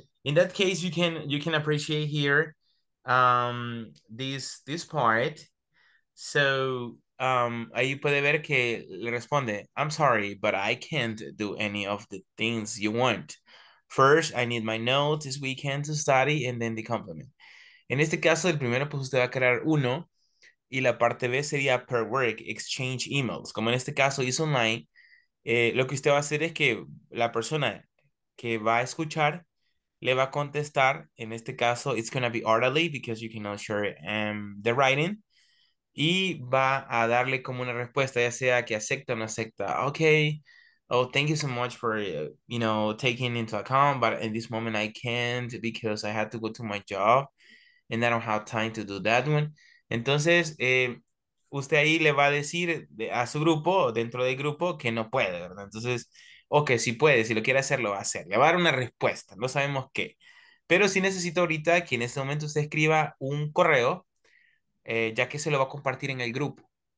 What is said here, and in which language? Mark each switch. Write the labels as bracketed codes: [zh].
[en] In that case, you can appreciate here this part. So [es] ahí puede ver que le responde, [en] I'm sorry, but I can't do any of the things you want. First, I need my notes this weekend to study, and then the complement. [es] En este caso, el primero, pues usted va a crear uno, y la parte B sería [en] per work, exchange emails. [es] Como en este caso, es online, lo que usted va a hacer es que la persona que va a escuchar le va a contestar. En este caso, [en] it's going to be orally because you cannot share the writing. [es] Y va a darle como una respuesta, ya sea que acepta o no acepta. [en] Okay, oh, thank you so much for, you know, taking into account. But in this moment, I can't because I had to go to my job and I don't have time to do that one. [es] Entonces, usted ahí le va a decir a su grupo, dentro del grupo, que no puede, ¿verdad? Entonces, o que si puede, si lo quiere hacer, lo va a hacer. Le va a dar una respuesta, no sabemos qué. Pero sí necesito ahorita que en este momento usted escriba un correo, ya que se lo va a compartir en el grupo.